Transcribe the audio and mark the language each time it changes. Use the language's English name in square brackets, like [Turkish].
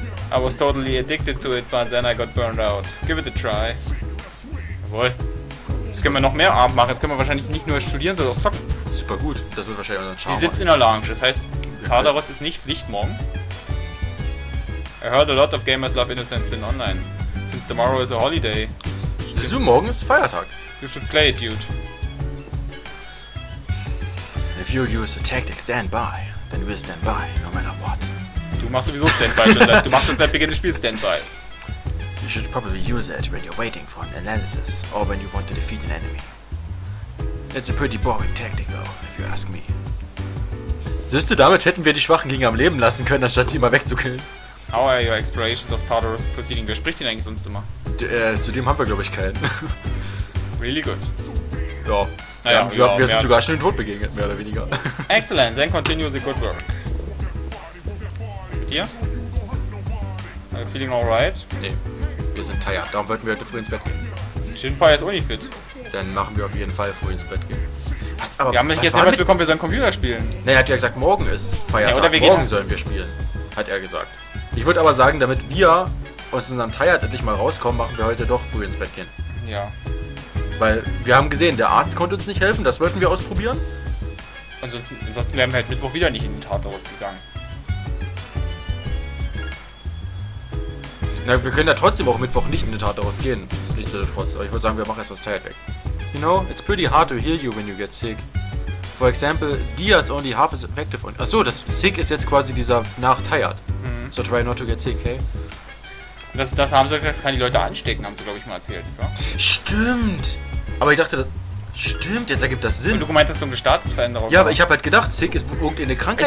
[English] I was totally addicted to it, but then I got burned out. Give it a try. [German] Jawohl. Jetzt können wir noch mehr Abend machen. Jetzt können wir wahrscheinlich nicht nur studieren, sondern auch zocken. Super gut. Das wird wahrscheinlich unser Charme. Sie sitzt in der Lounge. Das heißt, Tartaros ist nicht Pflicht morgen. [English] I heard a lot of gamers love Innocent Sin Online. Since tomorrow is a holiday. [German] Siehst du, morgen ist Feiertag. [English] You should play it, dude. If you use a tactic standby, then we'll stand by, no matter what. [German] Du machst sowieso Standby, schon seit, du machst schon seit Beginn des Spiels Standby. [English] You should probably use it when you're waiting for an analysis or when you want to defeat an enemy. It's a pretty boring tactic, though, if you ask me. [German] Siehst du, damit hätten wir die Schwachen Gegner am Leben lassen können, anstatt sie immer wegzukillen. [English] How are your explorations of Tartarus proceeding? [German] Wer spricht denn eigentlich sonst immer? Zu dem haben wir, glaube ich, keinen. [English] Really good. [German] Ja. Naja, wir sind sogar schon dem Tod begegnet, mehr oder weniger. Excellent, then continue the good work. Mit dir? Are you feeling alright? Nee, wir sind tired, darum wollten wir heute früh ins Bett gehen. Shinpai ist auch nicht fit. Dann machen wir auf jeden Fall früh ins Bett gehen. Was, aber wir haben nicht jetzt nicht bekommen, wir sollen Computer spielen. Nee, er hat ja gesagt, morgen ist Feiertag, ja, oder wir morgen sollen wir spielen, hat er gesagt. Ich würde aber sagen, damit wir aus unserem Tired endlich mal rauskommen, machen wir heute doch früh ins Bett gehen. Ja. Weil wir haben gesehen, der Arzt konnte uns nicht helfen, das wollten wir ausprobieren. Ansonsten wären wir halt Mittwoch wieder nicht in den Tartarus gegangen. Na, wir können ja trotzdem auch Mittwoch nicht in den Tartarus gehen. Nichtsdestotrotz, aber ich würde sagen, wir machen erst was Tired weg. [English] You know, it's pretty hard to heal you when you get sick. For example, Dia is only half as effective on... [German] Achso, das Sick ist jetzt quasi dieser nach Tired. [English] Mhm. So try not to get sick, hey? [German] Das haben sie gesagt, das kann die Leute anstecken, haben sie, glaube ich, mal erzählt, oder? Stimmt! Aber ich dachte, das... Stimmt, jetzt ergibt das Sinn. Und du meintest, so eine Statusveränderung. Ja, aber ich habe halt gedacht, Sick ist irgendeine Krankheit.